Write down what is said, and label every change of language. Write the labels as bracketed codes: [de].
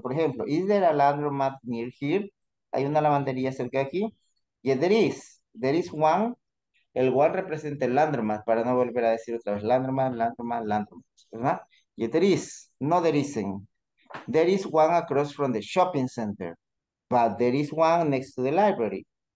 [es] Por ejemplo, [en] is there a laundromat near here? [es] ¿Hay una lavandería cerca de aquí? [en] Yes, there is. There is one. [es] El one representa el laundromat, para no volver a decir otra vez, laundromat, laundromat, laundromat, ¿verdad? [en] Yes, there is. No, there isn't. There is one across from the shopping center, but there is one next to the library.